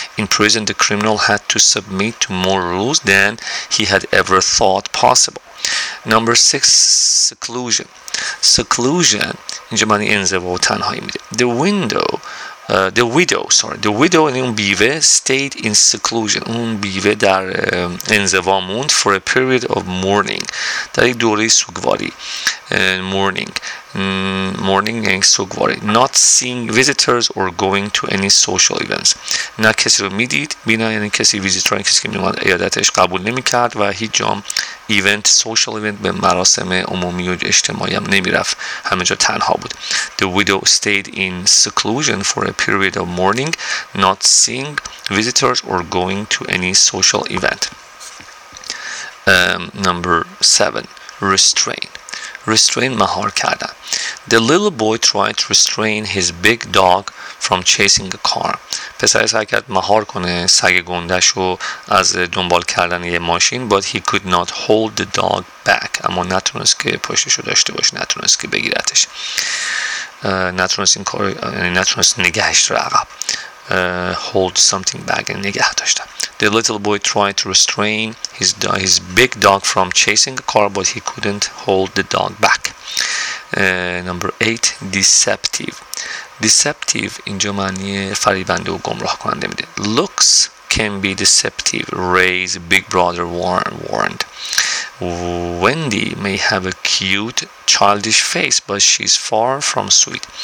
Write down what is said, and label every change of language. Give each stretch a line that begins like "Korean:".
English: In prison the criminal had to submit to more rules than he had ever thought possible. Number 6, seclusion.
Persian: Seclusion, اینجا معنی انزوا و تنهایی میده.
English: The widow
Persian: یعنی اون بیوه،
English: stayed in seclusion،
Persian: اون بیوه در انزوا موند،
English: for a period of mourning،
Persian: در یک دوره سوگواری. Mourning یعنی سوگواری.
English: Not seeing visitors or going to any social events،
Persian: نه کسی رو میدید، بینا یعنی کسی ویزیتر، کسی که میومد عیادتش قبول نمیکرد و هیچ جام event، social event، به مراسم عمومی و اجتماعی هم نمیرفت، همه جا تنها بود.
English: The widow stayed in seclusion for a period of mourning, not seeing visitors or going to any social event. Number 7, restrain. Restrain, مهار کردن. The little boy tried to restrain his big dog from chasing a car.
Persian: پسر سعی کرد مهار کنه سگ گندش رو از دنبال کردن یه ماشین.
English: But he could not hold the dog back.
Persian: اما نتونست که پشتش رو داشته باشه، نتونست که بگیرتش، نتونست این کار، نتونست نگهش رو عقب.
English: Hold something back، نگه داشته. The little boy tried to restrain his big dog from chasing a car, but he couldn't hold the dog back. Number 8, deceptive.
Persian: Deceptive اینجا معنی فریبنده و گمراه کننده میده.
English: Looks can be deceptive, Ray's big brother warned. Wendy may have a cute childish face, but she's far from sweet.